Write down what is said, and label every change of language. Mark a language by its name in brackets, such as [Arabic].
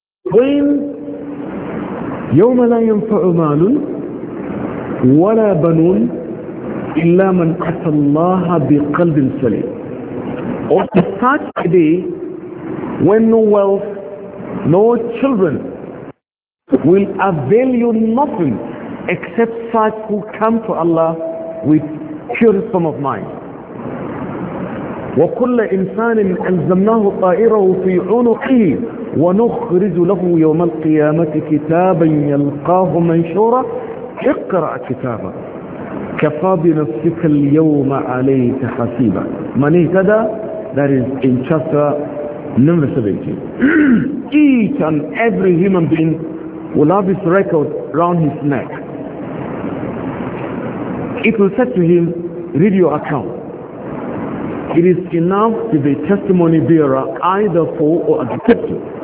[English] When [Arabic] يوم لا ينفع مال ولا بنون إلا من أتى الله بقلب سليم. [English] On such a day when no wealth, no children will avail you nothing except such who come to Allah with pure form of mind. [Arabic] وكل إنسان ألزمناه طائره في عنقه ونخرج له يوم القيامة كتابا يلقاه منشورا اقرأ كتابا كفى بنفسك اليوم عليك حسيبا. من اهتدى, [English] that is in chapter number 17. Each and every human being will have his record around his neck. It will say to him, read your account. It is enough to be testimony bearer either for or against you.